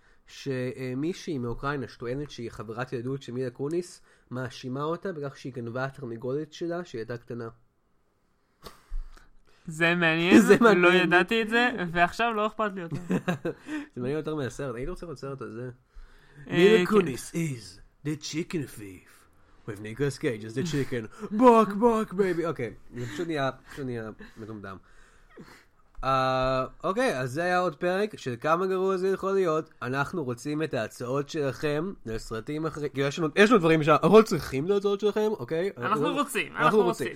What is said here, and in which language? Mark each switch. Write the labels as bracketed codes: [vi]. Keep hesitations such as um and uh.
[he] שמישהי מאוקראינה שטוענת שהיא חברת ילדות של מילה קוניס מאשימה אותה בכך שהיא גנבה את התרנגולת שלה שהיא הייתה קטנה. זה מעניין, זה מעניין. לא ידעתי את זה, ועכשיו לא אכפת לי אותה. זה מעניין יותר מהסרט, הייתי רוצה לראות סרט על זה. [en] Mila okay. Kunis is the chicken thief with Nicholas Cage as the chicken. bok, bok, baby. [he] אוקיי, זה פשוט נהיה, פשוט נהיה מטומדם. אוקיי, uh, okay, אז זה היה עוד פרק של כמה גרוע זה יכול להיות. אנחנו רוצים את ההצעות שלכם לסרטים אחרים. יש, יש לנו דברים שאנחנו צריכים את ההצעות שלכם, okay, אוקיי? אנחנו, אנחנו רוצים, אנחנו רוצים.